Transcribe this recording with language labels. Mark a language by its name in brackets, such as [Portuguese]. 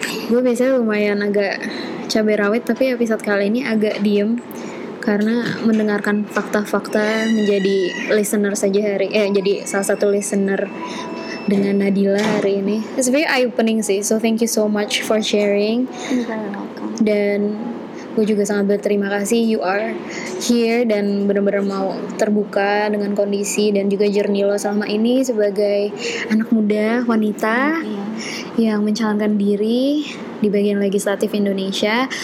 [Indonesian] Gue biasanya lumayan agak cabai rawit, tapi episode kali ini agak diem karena mendengarkan fakta-fakta menjadi listener saja hari, jadi salah satu listener dengan Nadila hari ini. [English] It's very eye-opening sih, so thank you so much for sharing. [Indonesian] Dan gue juga sangat berterima kasih [English] you are here [Indonesian] dan benar-benar mau terbuka dengan kondisi dan juga journey lo selama ini sebagai anak muda, wanita yang mencalonkan diri di bagian legislatif Indonesia.